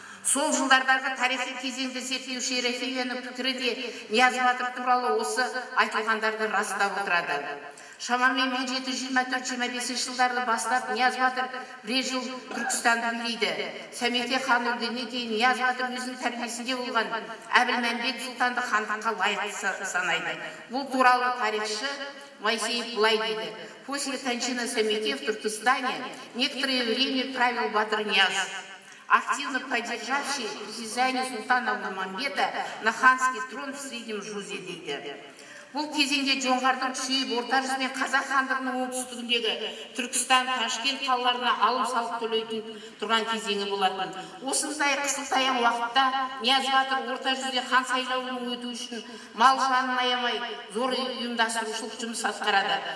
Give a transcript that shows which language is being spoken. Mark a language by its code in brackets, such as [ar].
[kk] Сол жылдардағы тарихи кезеңді зерттеуші Рефеевенің пікірі де Нияз батыр туралы осы айтылғандарды растап отырады. Шамамен 1724-25 жылдарды бастап Нияз батыр бірер жыл Түркістанды билейді. Сәмеке хан өлгеннен кейін Нияз батыр өзінің тәрбиесінде болған Әбілмәмбет сұлтанды хандыққа лайықты санайды. Бұл туралы тарихшы Моисеев былай дейді: [ru] «После кончины Сәмеке в Түркістане некоторое время правил батыр Нияз, активно поддержавший притязание султана Нурмамбета на ханский трон в Среднем Жузе», [kk] дейді. Бұл кезеңде жоңғардың күшейіп, орта жүз мен қазақ хандығының оңтүстігіндегі Түркістан, Ташкент қалаларына алым салық төлейтін тұрған кезеңі болатын. Осындай қысылтаяң уақытта Нияз батыр орта жүзде хан сайлауының өту үшін мал жанын аямай зор ұйымдастырушылық жұмыс атқарады.